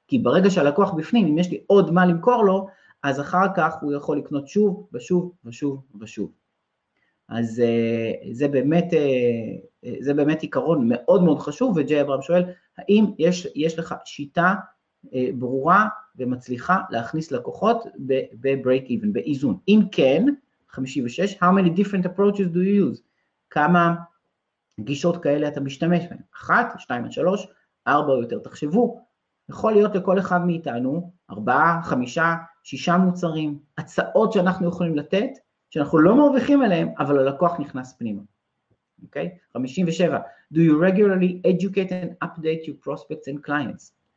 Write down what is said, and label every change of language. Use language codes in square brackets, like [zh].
[he] כי ברגע שהלקוח בפנים, אם יש לי עוד מה למכור לו, אז אחר כך הוא יכול לקנות שוב ושוב ושוב ושוב. אז זה באמת עיקרון מאוד מאוד חשוב, וג'י אברהם שואל, האם יש לך שיטה ברורה ומצליחה להכניס לקוחות ב-break even, באיזון? אם כן, [en] 56, how many different approaches do you use? [he] כמה גישות כאלה אתה משתמש בהן? אחת, שתיים, שלוש, ארבע או יותר. תחשבו, יכול להיות לכל אחד מאיתנו, ארבעה, חמישה, שישה מוצרים, הצעות שאנחנו יכולים לתת, שאנחנו לא מרוויחים עליהם, אבל הלקוח נכנס פנימה. אוקיי? [en] 57, do you regularly educate and update your prospects and clients?